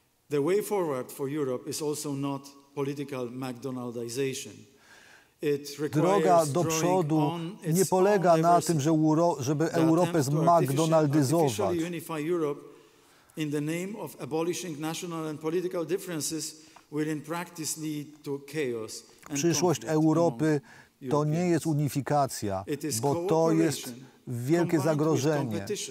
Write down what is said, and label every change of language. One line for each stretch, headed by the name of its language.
English: The way forward for Europe is also not political McDonaldization.
Polish: Droga do przodu nie polega na tym, żeby Europę zmagdonaldyzować.
English: In the name of abolishing national and political differences will in practice lead to chaos.
Polish: Przyszłość Europy to nie jest unifikacja, bo to jest wielkie zagrożenie.